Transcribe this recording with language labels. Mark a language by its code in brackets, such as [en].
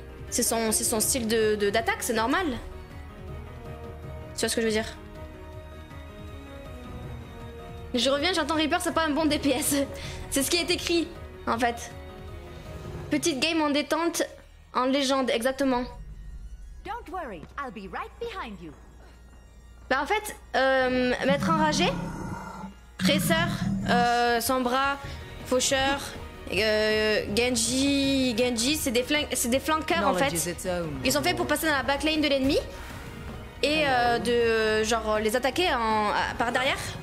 [fr] C'est son style d'attaque, c'est normal. Tu vois ce que je veux dire? Je reviens, j'entends Reaper, c'est pas un bon DPS. C'est ce qui est écrit, en fait. Petite game en détente, en légende, exactement. [en] Don't worry, I'll be right behind you. [fr] Bah en fait, mettre enragé, Tracer, Sombra, Faucheur, Genji, c'est des flankers en fait. Ils sont faits pour passer dans la backlane de l'ennemi. Et de genre les attaquer par derrière.